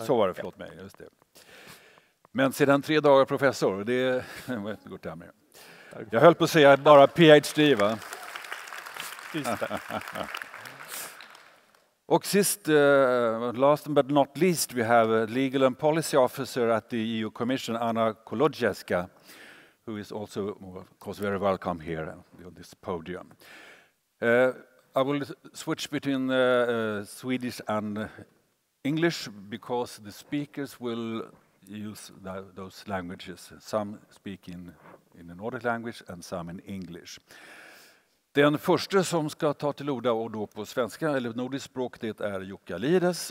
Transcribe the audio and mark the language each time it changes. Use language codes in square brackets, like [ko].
[sv] Så var det, förlåt mig, just det. Men sedan 3 dagar professor, det var ett gott termin. Jag höll på att säga bara PhD, va? Och sist, [en] last but not least, we have a legal and policy officer at the EU Commission, Anna Kolodziejska, who is also, of course, very welcome here on this podium. I will switch between Swedish and English, because the speakers will use those languages. Some speak in a Nordic language and some in English. [sv] Den första som ska ta till orda och då på svenska eller nordisk språk, det är Jukka Lires.